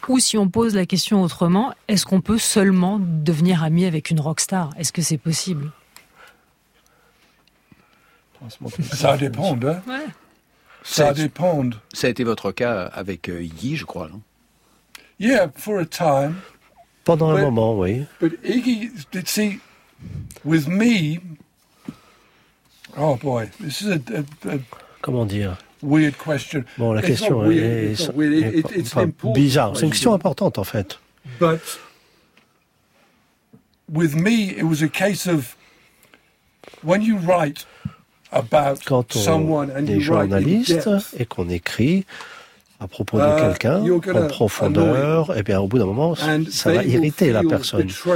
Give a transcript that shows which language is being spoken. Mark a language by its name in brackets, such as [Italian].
[French] Ou si on pose la question autrement, est-ce qu'on peut seulement devenir ami avec une rockstar? Est-ce que c'est possible? Ça dépend, hein. Ouais. Ça dépend. Ça a été votre cas avec Iggy, je crois, non? [English] Yeah, for a time. [French] Pendant un moment, oui. [English] But Iggy, see, with me, oh boy, this is a [French] comment dire? [English] Weird question. [French] Bon, la question est bizarre. C'est une question importante, en fait. [English] But with me, it was a case of when you write. [French] Quand on est journaliste et qu'on écrit à propos de quelqu'un en profondeur, et bien au bout d'un moment, ça va irriter la personne.